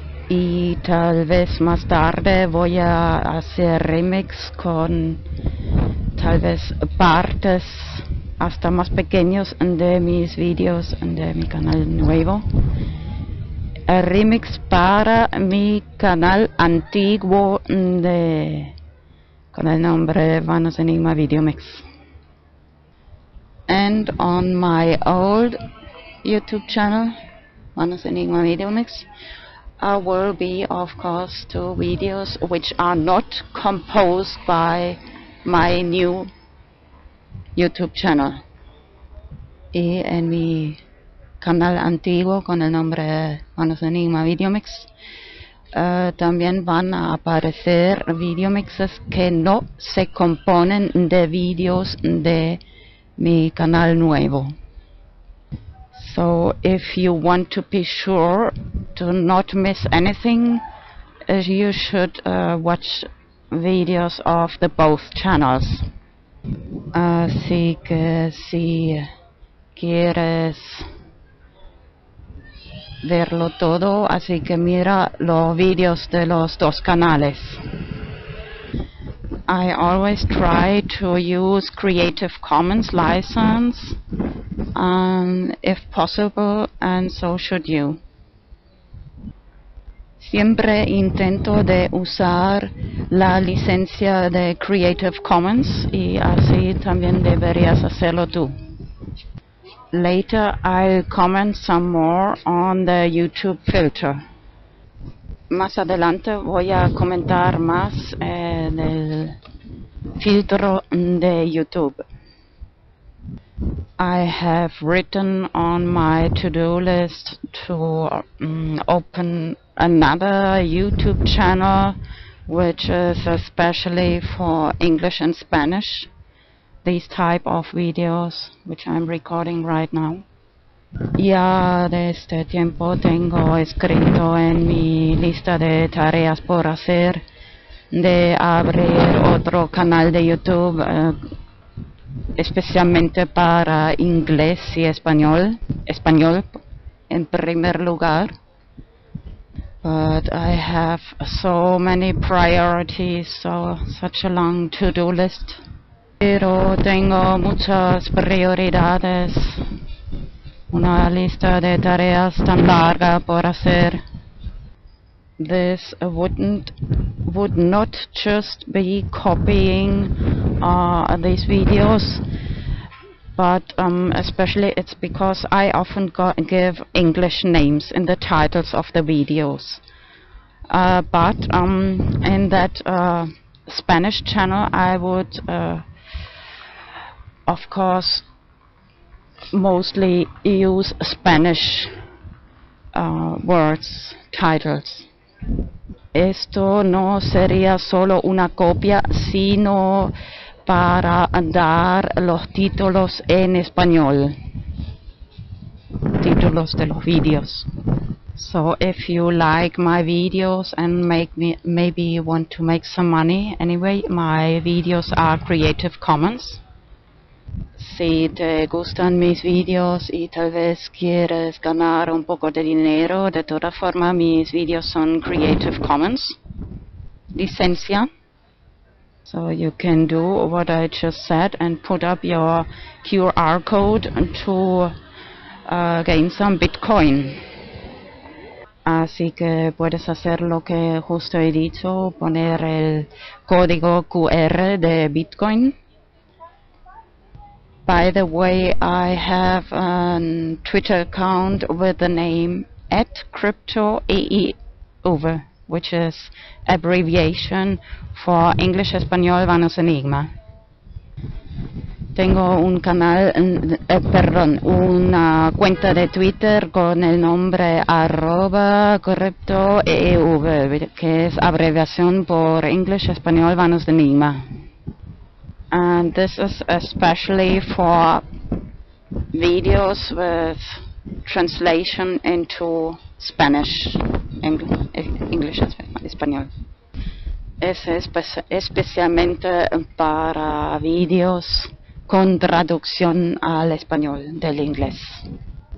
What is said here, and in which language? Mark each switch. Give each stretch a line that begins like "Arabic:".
Spanish: Y tal vez más tarde voy a hacer remix con tal vez partes hasta más pequeños de mis videos de mi canal nuevo. El remix para mi canal antiguo de con el nombre VanosEnigmA VideoMix.
English: And on my old YouTube channel, VanosEnigmA VideoMix, I will be, of course, two videos which are not composed by my new YouTube channel.
Spanish: Y en mi canal antiguo con el nombre VanosEnigmA VideoMix, también van a aparecer videomixes que no se componen de videos de mi canal nuevo.
English: So if you want to be sure to not miss anything, you should watch videos of the both channels.
Spanish: Así que si quieres verlo todo, así que mira los videos de los dos canales.
English: I always try to use Creative Commons license, if possible, and so should you.
Spanish: Siempre intento de usar la licencia de Creative Commons, y así también deberías hacerlo tú.
English: Later I'll comment some more on the YouTube filter.
Spanish: Más adelante voy a comentar más en el filtro de YouTube.
English: I have written on my to-do list to open another YouTube channel which is especially for English and Spanish, these type of videos which I'm recording right now.
Spanish: Ya desde tiempo tengo escrito en mi lista de tareas por hacer de abrir otro canal de YouTube especialmente para inglés y español, en primer lugar.
English: But I have so many priorities, so such a long to-do list.
Spanish: Pero tengo muchas prioridades, una lista de tareas tan larga por hacer.
English: This would not just be copying these videos, but especially it's because I often give English names in the titles of the videos. But in that Spanish channel, I would of course mostly use Spanish words, titles.
Spanish: Esto no sería solo una copia, sino para dar los títulos en español, títulos de los videos.
English: So if you like my videos and maybe you want to make some money anyway, my videos are Creative Commons.
Spanish: Si te gustan mis videos y tal vez quieres ganar un poco de dinero, de toda forma mis videos son Creative Commons licencia.
English: So you can do what I just said and put up your QR code to gain some Bitcoin.
Spanish: Así que puedes hacer lo que justo he dicho, poner el código QR de Bitcoin.
English: By the way, I have a Twitter account with the name @CryptoEEV, which is abbreviation for English Español VanosEnigmA.
Spanish: Tengo un canal, perdón, una cuenta de Twitter con el nombre @CryptoEEV, que es abreviación por English Español VanosEnigmA.
English: And this is especially for videos with translation into Spanish, English, Español.
Spanish: Es especialmente para videos con traducción al español del inglés.